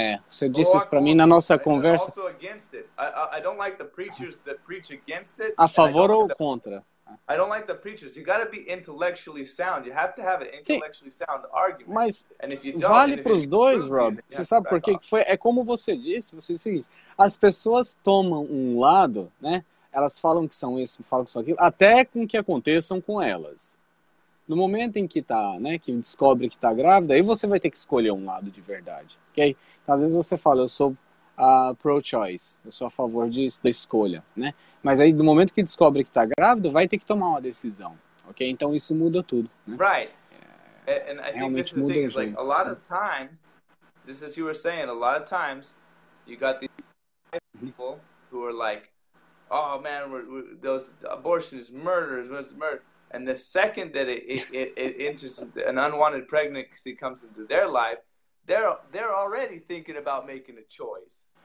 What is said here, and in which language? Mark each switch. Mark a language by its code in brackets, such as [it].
[pt] Você disse isso para mim na nossa conversa. [en] I don't like the preachers that preach against it. [pt] A favor ou contra? [en] I don't like the preachers. You got to be intellectually sound. You have to have an intellectually sound argument. [pt] Mas vale para os dois, Rob. Você sabe por quê? É como você disse. Você disse assim, as pessoas tomam um lado, né? Elas falam que são isso, falam que são aquilo, até com que aconteçam com elas. No momento em que tá, né, que descobre que tá grávida, aí você vai ter que escolher um lado de verdade, ok? Então, às vezes você fala, eu sou pro-choice, eu sou a favor disso, da escolha, né? Mas aí, no momento que descobre que tá grávida, vai ter que tomar uma decisão, ok? Então, isso muda tudo, né? [en] Right. And I [pt] realmente [en] think [pt] muda o jeito. [en] Like, a lot of times, this is you were saying, a lot of times, you got these people who are like, oh, man, those abortion is murder, it's murder. And the second that it enters, an unwanted pregnancy comes into their life, they're already thinking about making a choice.